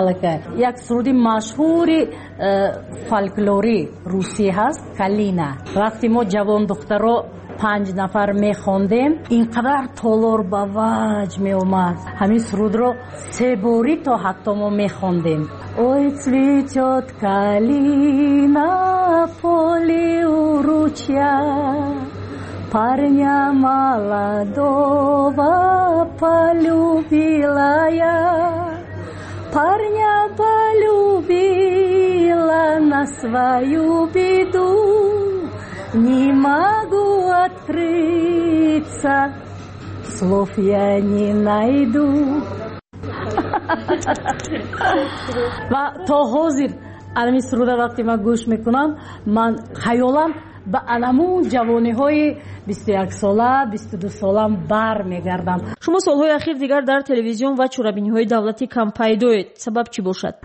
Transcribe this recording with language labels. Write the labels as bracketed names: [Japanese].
[Persian] الکه یک سرودی مشهور فولکلوری روسی هست، کالینا. وقتی ما جوان دخترو پنج نفر میخوندیم، اینقدر تولور با وجد میومد، همین سرود رو سه باری تا حتی ما میخوندیم. [Russian] Ой, цветет калина поле у ручья, парня молодого полюбила я, парня полюбила на свою беду, не могу открыться, слов я не найду. [Persian] و تا حاضر انمی سروده وقتی من گوش میکنم، من خیالم به انمون جوانی های 21 ساله 22 ساله بر میگردم. شما سالهای اخیر دیگر در تلویزیون و چورابینی های دولتی کم پیدایید، سبب چی باشد؟